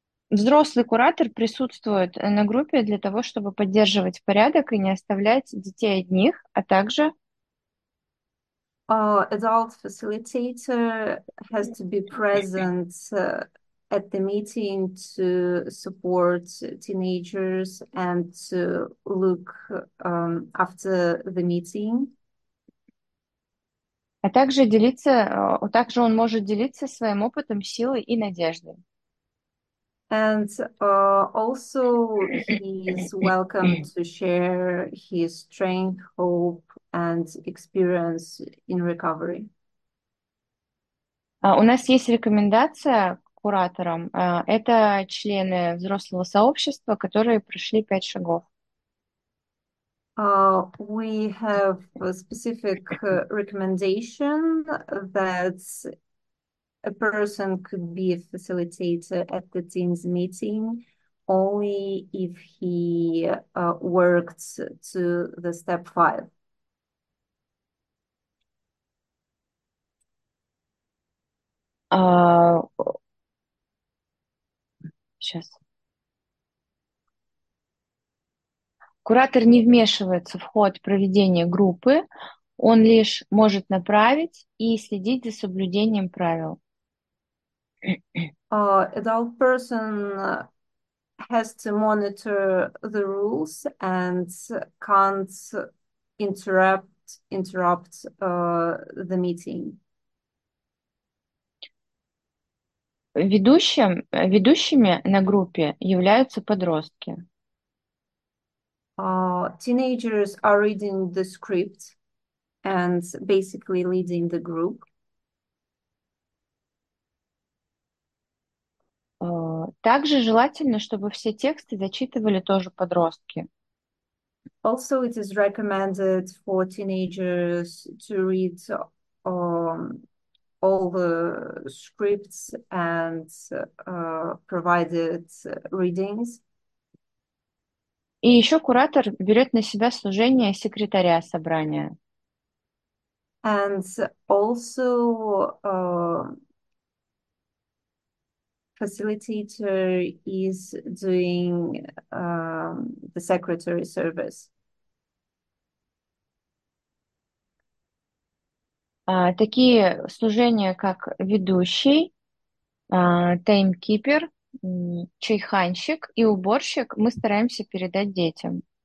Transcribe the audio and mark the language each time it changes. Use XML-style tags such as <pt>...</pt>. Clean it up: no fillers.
<ru>Взрослый куратор присутствует на группе для того, чтобы поддерживать порядок и не оставлять детей одних, а также...</ru> <en>Adult facilitator has to be present at the meeting to support teenagers and to look after the meeting.</en> <ru>А также делиться, также он может делиться своим опытом, силой и надеждой.</ru> <en>And also he's welcome to share his strength, hope, and experience in recovery.</en> <ru>У нас есть рекомендация к кураторам. Это члены взрослого сообщества, которые прошли 5 шагов.</ru> <en>We have a specific recommendation that a person could be a facilitator at the team's meeting only if he worked to the step five.</en> <ru>Сейчас. Куратор не вмешивается в ход проведения группы, он лишь может направить и следить за соблюдением правил.</ru> <en>Adult person has to monitor the rules and can't interrupt interrupt the meeting.</en> <ru>Ведущими на группе являются подростки.</ru> <en>Teenagers are reading the script and basically leading the group.</en> <ru>Также желательно, чтобы все тексты зачитывали тоже подростки.</ru> <en>Also, it is recommended for teenagers to read all the scripts and provided readings.</en> <ru>И еще куратор берет на себя служение секретаря собрания.</ru> <en>And also, facilitator is doing the secretary service.</en> <ru>Такие служения, как ведущий, таймкипер, чайханщик и уборщик, мы стараемся передать детям.</ru>